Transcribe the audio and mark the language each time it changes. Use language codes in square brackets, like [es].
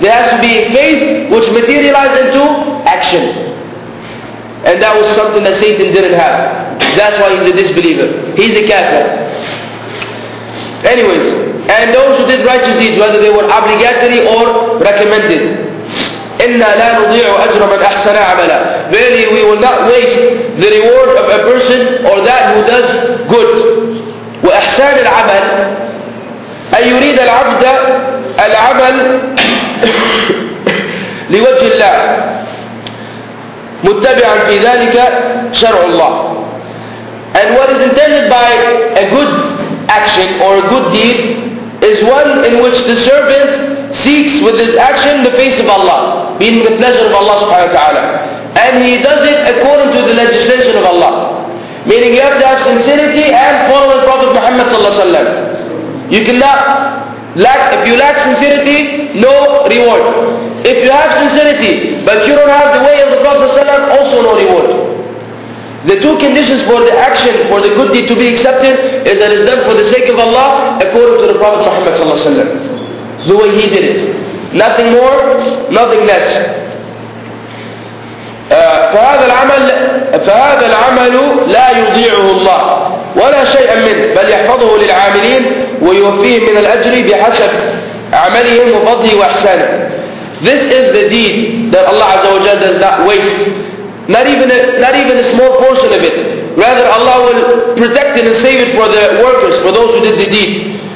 [en] There has to be a faith which materialized into action. And that was something that Satan didn't have. That's why he's a disbeliever. He's a kafir. Anyways, and those who did righteous deeds, whether they were obligatory or recommended. [ar] إِنَّا لَا نُضِيعُ أَجْرَ مَنْ أَحْسَنَ عَمَلًا. [en] Verily, we will not waste the reward of a person or that who does good. [ar] وَأَحْسَانِ الْعَمَلِ أَنْ يُرِيدَ الْعَبْدَ الْعَمَلِ لِوَجْهِ اللَّهِ مُتَّبِعًا فِي ذَلِكَ شَرْعُ اللَّهِ. [en] And what is intended by a good action or a good deed is one in which the servant seeks with his action the face of Allah, meaning the pleasure of Allah subhanahu wa ta'ala. And he does it according to the legislation of Allah. Meaning you have to have sincerity and follow the Prophet Muhammad sallallahu alaihi wasallam. You cannot lack, if you lack sincerity, no reward. If you have sincerity, but you don't have the way of the Prophet sallallahu alaihi wasallam, also no reward. The two conditions for the action, for the good deed to be accepted, is that it's done for the sake of Allah, according to the Prophet Muhammad sallallahu alaihi wasallam. The way he did it. Nothing more, nothing less. [ar] فهذا العمل لا يضيعه الله ولا شيئا منه بل يحفظه للعاملين ويوفيهم من الأجر بحسب عملهم وفضله وإحسانه. [en] This is the deed that Allah Azza wa Jalla does not waste. Not even a small portion of it. Rather, Allah will protect it and save it for the workers, for those who did the deed.